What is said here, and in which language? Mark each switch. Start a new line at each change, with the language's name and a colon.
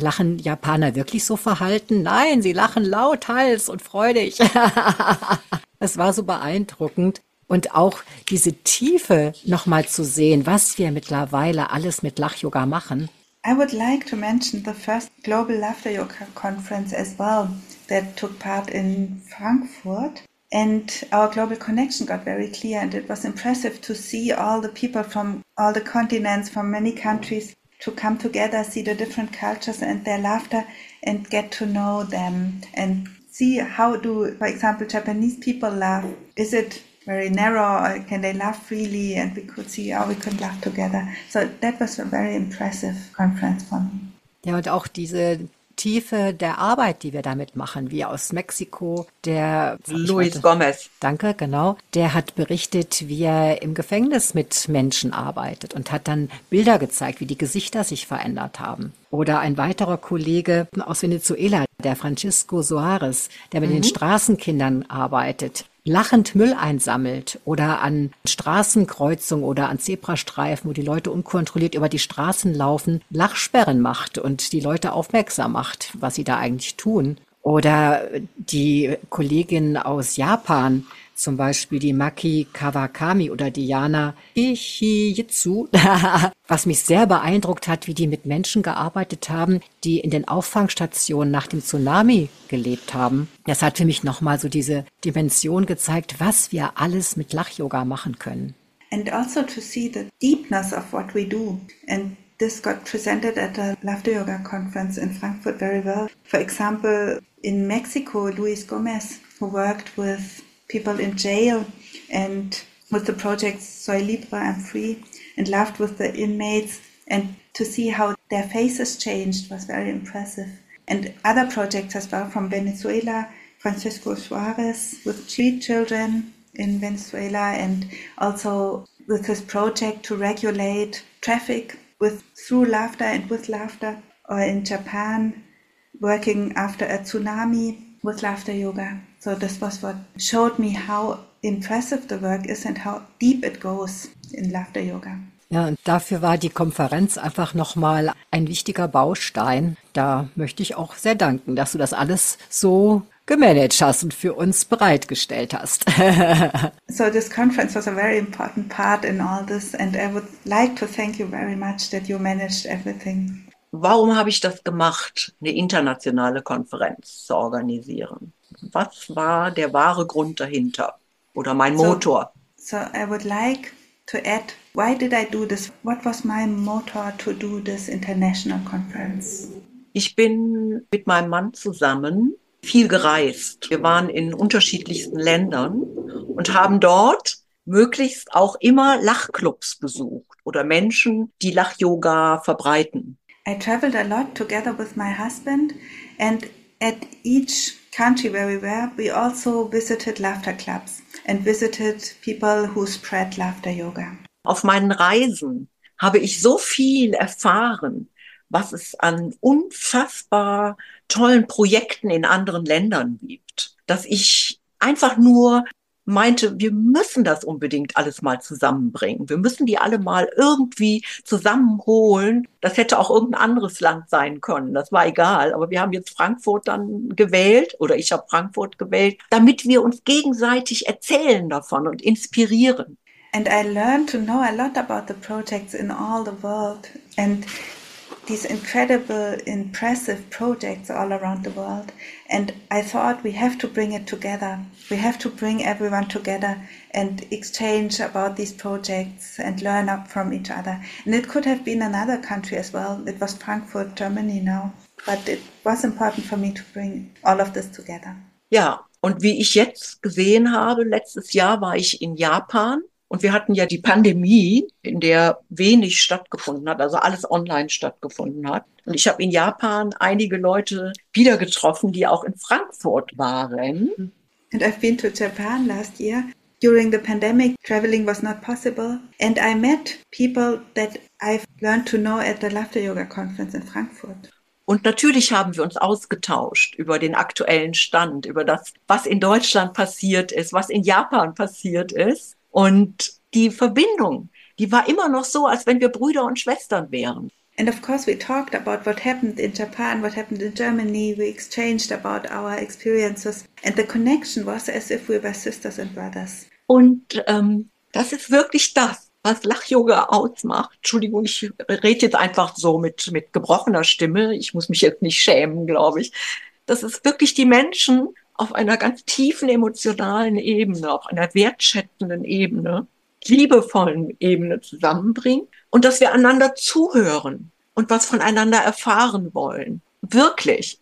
German: Lachen Japaner wirklich so verhalten? Nein, sie lachen lauthals und freudig. Es war so beeindruckend. Und auch diese Tiefe nochmal zu sehen, was wir mittlerweile alles mit Lach-Yoga machen.
English: I would like to mention the first Global Laughter Yoga Conference as well. That took part in Frankfurt, and our global connection got very clear, and it was impressive to see all the people from all the continents, from many countries, to come together, see the different cultures and their laughter, and get to know them, and see how do, for example, Japanese people laugh. Is it very narrow, or can they laugh freely, and we could see how we could laugh together. So that was a very impressive conference for me.
German: Ja, und auch diese Tiefe der Arbeit, die wir damit machen, wie aus Mexiko, der Luis Gomez. Danke, genau. Der hat berichtet, wie er im Gefängnis mit Menschen arbeitet und hat dann Bilder gezeigt, wie die Gesichter sich verändert haben. Oder ein weiterer Kollege aus Venezuela, der Francisco Soares, der mit den Straßenkindern arbeitet, lachend Müll einsammelt oder an Straßenkreuzungen oder an Zebrastreifen, wo die Leute unkontrolliert über die Straßen laufen, Lachsperren macht und die Leute aufmerksam macht, was sie da eigentlich tun. Oder die Kollegin aus Japan, zum Beispiel die Maki Kawakami oder Diana Ichijitsu, was mich sehr beeindruckt hat, wie die mit Menschen gearbeitet haben, die in den Auffangstationen nach dem Tsunami gelebt haben. Das hat für mich nochmal so diese Dimension gezeigt, was wir alles mit Lach-Yoga machen können.
English: And also to see the deepness of what we do. And this got presented at a Laughter Yoga Conference in Frankfurt very well. For example, in Mexico, Luis Gomez, who worked with people in jail and with the project Soy Libre, I'm Free, and laughed with the inmates, and to see how their faces changed was very impressive. And other projects as well from Venezuela, Francisco Suarez with street children in Venezuela, and also with his project to regulate traffic with through laughter and with laughter, or in Japan, working after a tsunami with laughter yoga. So this was what showed me how impressive the work is and how deep it goes in laughter yoga.
German: Ja, und dafür war die Konferenz einfach nochmal ein wichtiger Baustein. Da möchte ich auch sehr danken, dass du das alles so gemanagt hast und für uns bereitgestellt hast.
English: So this conference was a very important part in all this and I would like to thank you very much that you managed everything.
German: Warum habe ich das gemacht, eine internationale Konferenz zu organisieren? Was war der wahre Grund dahinter oder mein Motor?
English: So I would like to add, why did I do this? What was my motor to do this international conference?
German: Ich bin mit meinem Mann zusammen viel gereist. Wir waren in unterschiedlichsten Ländern und haben dort möglichst auch immer Lachclubs besucht oder Menschen, die Lach-Yoga verbreiten.
English: I traveled a lot together with my husband and at each country where we were, we also visited laughter clubs and visited people who spread laughter yoga.
German: Auf meinen Reisen habe ich so viel erfahren, was es an unfassbar tollen Projekten in anderen Ländern gibt, dass ich einfach nur meinte, wir müssen das unbedingt alles mal zusammenbringen. Wir müssen die alle mal irgendwie zusammenholen. Das hätte auch irgendein anderes Land sein können. Das war egal. Aber wir haben jetzt Frankfurt dann gewählt oder ich habe Frankfurt gewählt, damit wir uns gegenseitig erzählen davon und inspirieren.
English: And I learned to know a lot about the projects in all the world and these incredible, impressive projects all around the world. And I thought we have to bring it together. We have to bring everyone together and exchange about these projects and learn up from each other. And it could have been another country as well. It was Frankfurt, Germany now. But it was important for me to bring all of this together.
German: Ja, und wie ich jetzt gesehen habe, letztes Jahr war ich in Japan und wir hatten ja die Pandemie, in der wenig stattgefunden hat, also alles online stattgefunden hat. Und ich habe in Japan einige Leute wieder getroffen, die auch in Frankfurt waren.
English: And I've been to Japan last year. During the pandemic, traveling was not possible. And I met people that I've learned to know at the Laughter Yoga Conference in Frankfurt.
German: Und natürlich haben wir uns ausgetauscht über den aktuellen Stand, über das, was in Deutschland passiert ist, was in Japan passiert ist. Und die Verbindung, die war immer noch so, als wenn wir Brüder und Schwestern wären.
English: And of course we talked about what happened in Japan, what happened in Germany. We exchanged about our experiences. And the connection was as if we were sisters and brothers.
German: Und das ist wirklich das, was Lach-Yoga ausmacht. Entschuldigung, ich rede jetzt einfach so mit gebrochener Stimme. Ich muss mich jetzt nicht schämen, glaube ich. Das ist wirklich die Menschen auf einer ganz tiefen emotionalen Ebene, auf einer wertschätzenden Ebene, liebevollen Ebene zusammenbringt und dass wir einander zuhören und was voneinander erfahren wollen. Wirklich.